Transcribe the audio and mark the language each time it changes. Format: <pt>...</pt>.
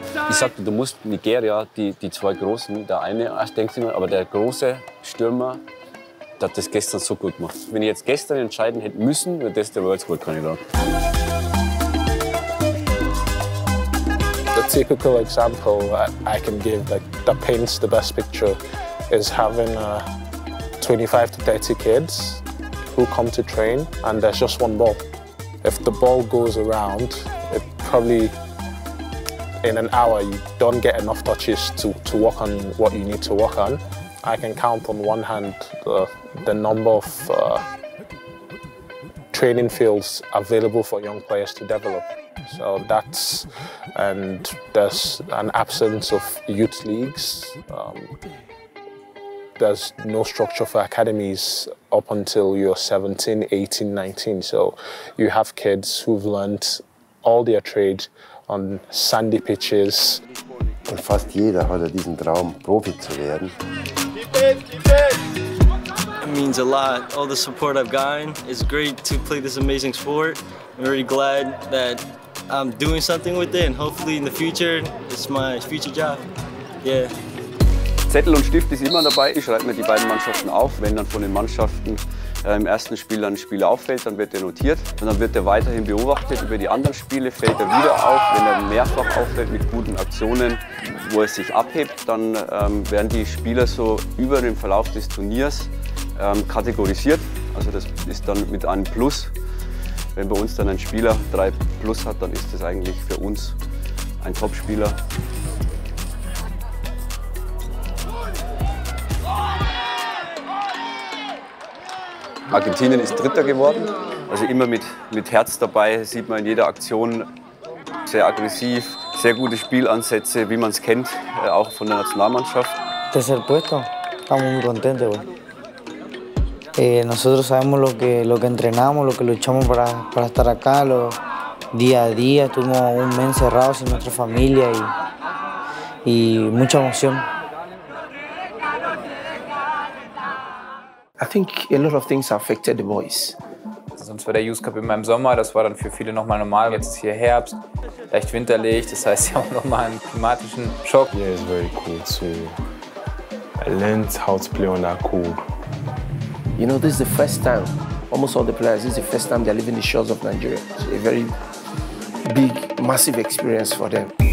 <de>Ich sagte, du musst Nigeria, die zwei Großen, der eine, ich denke mal, aber der große Stürmer, der hat das gestern so gut gemacht. Wenn ich jetzt gestern entscheiden hätte müssen, wäre das der World Cup Kandidat.</de> <en>The typical example I can give, like, that paints the best picture, is having 25 to 30 kids who come to train and there's just one ball. If the ball goes around, it probably in an hour, you don't get enough touches to work on what you need to work on. I can count on one hand the number of training fields available for young players to develop. So that's, and there's an absence of youth leagues. There's no structure for academies up until you're 17, 18, 19. So you have kids who've learned all their trade on sandy pitches.</en> <de>Und fast jeder hat diesen Traum, Profi zu werden.</de> <en>It means a lot. All the support I've gotten is great to play this amazing sport. I'm really glad that I'm doing something with it and hopefully in the future it's my future job. Yeah.</en> <de>Zettel und Stift ist immer dabei. Ich schreibe mir die beiden Mannschaften auf. Wenn dann von den Mannschaften im ersten Spiel ein Spieler auffällt, dann wird er notiert. Und dann wird er weiterhin beobachtet. Über die anderen Spiele fällt er wieder auf. Wenn er mehrfach auffällt mit guten Aktionen, wo er sich abhebt, dann werden die Spieler so über den Verlauf des Turniers kategorisiert. Also das ist dann mit einem Plus. Wenn bei uns dann ein Spieler 3+ hat, dann ist das eigentlich für uns ein Top-Spieler. Argentinien ist Dritter geworden, also immer mit Herz dabei, sieht man in jeder Aktion sehr aggressiv, sehr gute Spielansätze, wie man es kennt, auch von der Nationalmannschaft.</de> <es>Tercer puesto, estamos muy contentos. Nosotros sabemos lo que entrenamos, lo que luchamos para estar acá, lo día a día, estuvimos un mes encerrados en nuestra familia y mucha emoción.</es> <en>I think a lot of things affected the boys.</en> <de>Sonst war der Youth Cup immer im Sommer, das war dann für viele nochmal normal. Jetzt ist hier Herbst, leicht winterlich, das heißt, sie haben nochmal einen klimatischen Schock.</de> <en>Yeah, it's very cool to learn how to play on that cold. You know, this is the first time, almost all the players, this is the first time they're leaving the shores of Nigeria. It's a very big, massive experience for them.</en>